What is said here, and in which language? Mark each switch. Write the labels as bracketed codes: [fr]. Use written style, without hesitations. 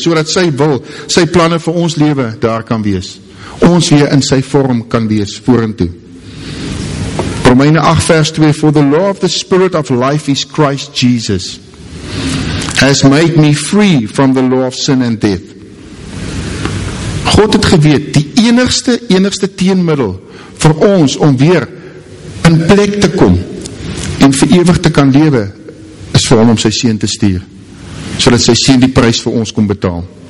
[af] So dat sy wil, sy planne vir ons lewe daar kan wees. Ons weer in sy vorm kan wees, vorentoe. Romeine 8 vers 2, [en] For the law of the spirit of life is Christ Jesus, has made me free from the law of sin and death. [af] God het geweet, die enigste teenmiddel vir ons om weer in plek te kom en vir ewig te kan lewe, is vir hom om sy seun te stuur, sodat sy seun die prys vir ons kon betaal.